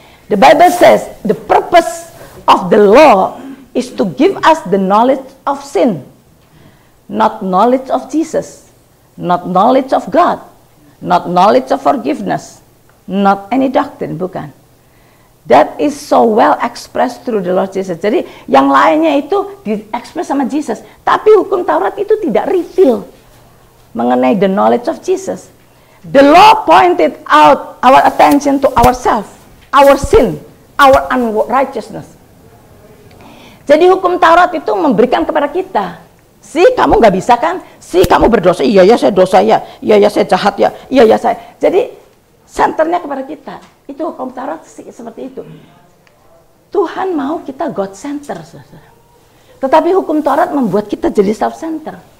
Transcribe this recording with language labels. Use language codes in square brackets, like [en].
[en] The Bible says, the purpose of the law is to give us the knowledge of sin. Not knowledge of Jesus, not knowledge of God, not knowledge of forgiveness, not any doctrine, bukan. That is so well expressed through the Lord Jesus. [id] Jadi yang lainnya itu di-express sama Jesus. Tapi hukum Taurat itu tidak reveal mengenai [en] the knowledge of Jesus. The law pointed out our attention to ourselves, our sin, our unrighteousness. [id] Jadi hukum Taurat itu memberikan kepada kita, si kamu gak bisa kan? Si kamu berdosa, iya saya dosa ya, iya saya jahat ya, iya saya. Jadi centernya kepada kita. Itu hukum Taurat seperti itu. Tuhan mau kita God-center. Tetapi hukum Taurat membuat kita jadi self-center.